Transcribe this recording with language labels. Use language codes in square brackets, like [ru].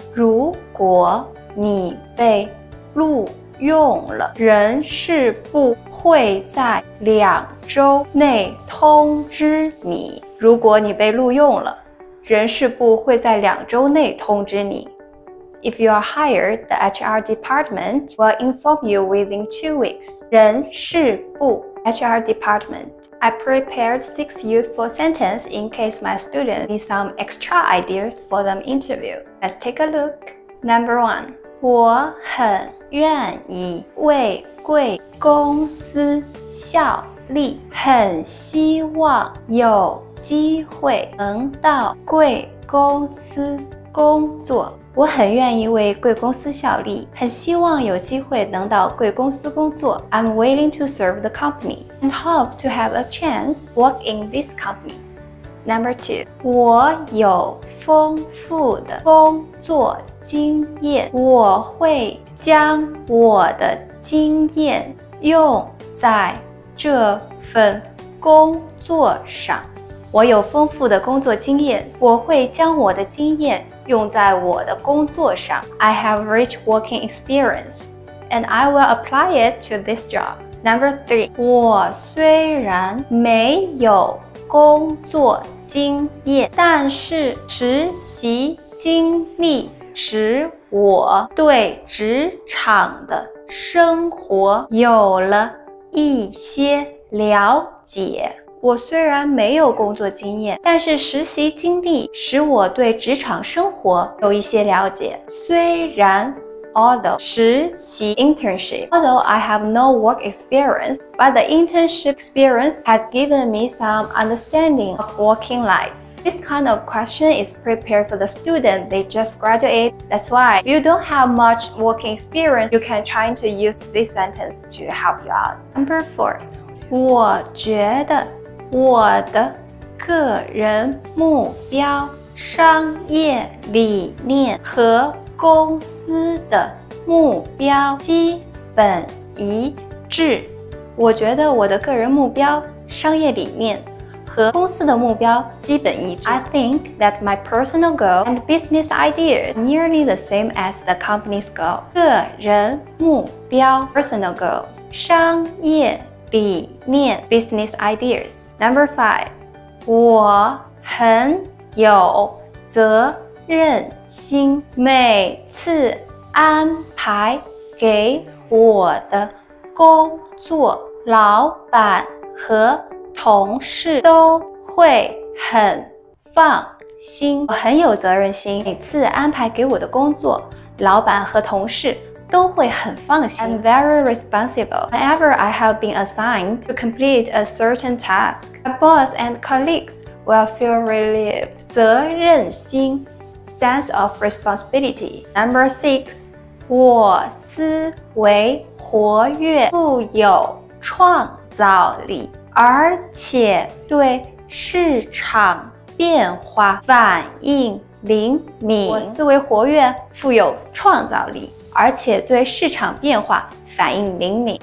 [zh] 如果你被录用了，人事部会在两周内通知你。如果你被录用了，人事部会在两周内通知你。 [en] If you are hired, the HR department will inform you within 2 weeks. [zh] 人事部 [en] HR department. I prepared 6 useful sentences in case my students need some extra ideas for them interview. Let's take a look. Number 1. [zh] 我很愿意为贵公司效力，很希望有机会能到贵公司工作。我很愿意为贵公司效力，很希望有机会能到贵公司工作。 [en] I'm willing to serve the company and hope to have a chance work in this company. Number 2. [zh] 我有丰富的工作经验，我会将我的经验用在这份工作上。我有丰富的工作经验，我会将我的经验用在我的工作上。 [en] I have rich working experience, and I will apply it to this job. Number 3. [zh] 我虽然没有工作经验，但是实习经历使我对职场的生活有了一些了解。我虽然没有工作经验，但是实习经历使我对职场生活有一些了解。虽然 [en] although [zh] 实习 [en] internship although I have no work experience, but the internship experience has given me some understanding of working life. This kind of question is prepared for the student they just graduate. That's why if you don't have much working experience, you can try to use this sentence to help you out. Number 4. [zh] 我觉得我的个人目标、商业理念和公司的目标基本一致。我觉得我的个人目标、商业理念和公司的目标基本一致。 [en] I think that my personal goal and business idea is nearly the same as the company's goal. [zh] 个人目标 [en] personal goals [zh] 商业理念 [en] business ideas. Number 5. [zh] 我很有责任心，每次安排给我的工作，老板和同事都会很放心。我很有责任心，每次安排给我的工作，老板和同事都会很放心。 [en] I'm very responsible. Whenever I have been assigned to complete a certain task, my boss and colleagues will feel relieved. [zh] 责任心 [en] Sense of responsibility. Number 6. [zh] 我思维活跃，富有创造力，而且对市场变化反应灵敏。我思维活跃，富有创造力，而且对市场变化反应灵敏。